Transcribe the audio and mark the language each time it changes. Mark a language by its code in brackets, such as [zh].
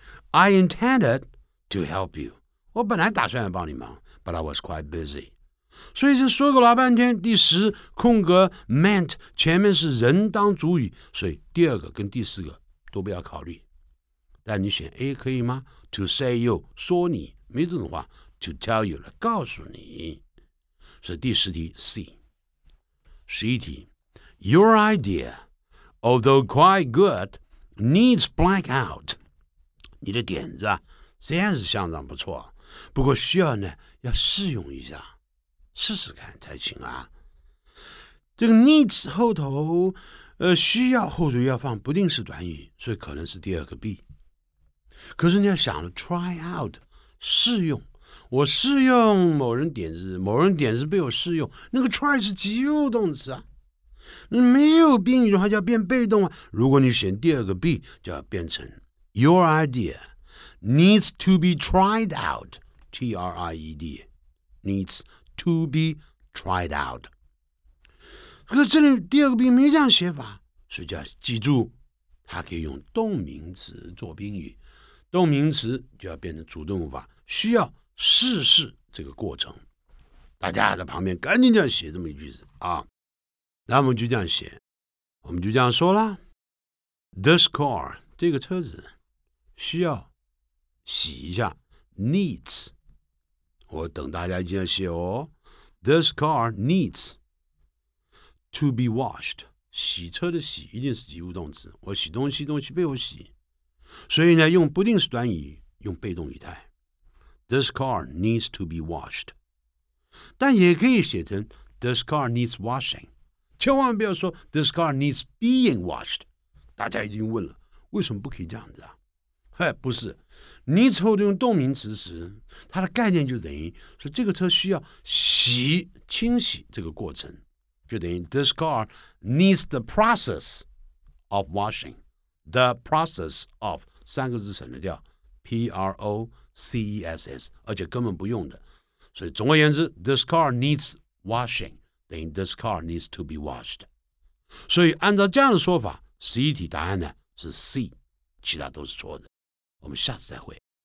[en] I intended to help you, [zh] 我本来打算要帮你忙， [en] but I was quite busy。 [zh] 所以是说个老半天，第十空格 meant 前面是人当主语，所以第二个跟第四个都不要考虑。但你选 A 可以吗？ [en] To say you [zh] 说你，没这种话， [en] To tell you [zh] 来告诉你。所以第十题 C。十一题 [en] Your idea although quite good needs blank out, [zh] 你的点子啊虽然是相当不错，不过需要呢要试用一下，试试看才行啊。这个 needs 后头需要后头要放不定式短语，所以可能是第二个 B。可是你要想 try out 试用，我试用某人点子，某人点子被我试用，那个 try 是及物动词啊，没有宾语的话叫变被动啊。如果你选第二个 B 就要变成 [en] your idea needs to be tried out, T-R-I-E-D needs to be tried out。 [zh] 可是这里第二个宾语没这样写法，所以就要记住它可以用动名词做宾语，动名词就要变成主动法，需要试试这个过程。大家在旁边赶紧这样写这么一句子啊，那我们就这样写，我们就这样说了， [en] This car [zh] 这个车子需要洗一下， needs。我等大家一定要写哦。 [en] This car needs to be washed. [zh] 洗车的洗一定是及物动词。我洗东西，东西被我洗。所以呢，用不定式短语，用被动语态。 [en] This car needs to be washed. [zh] 但也可以写成 [en] This car needs washing. [zh] 千万不要说 [en] This car needs being washed. [zh] 大家已经问了，为什么不可以这样子啊？嘿，不是。 needs 后的用动名词时，它的概念就等于说这个车需要洗清洗这个过程，就等于 [en] this car needs the process of [zh] washing, the process of 三个字省得掉 P-R-O-C-E-S-S, 而且根本不用的。所以总而言之 [en] this car needs washing [zh] 等于 [en] this car needs to be washed。 [zh] 所以按照这样的说法，十一题答案呢是 C, 其他都是错的。我们下次再会。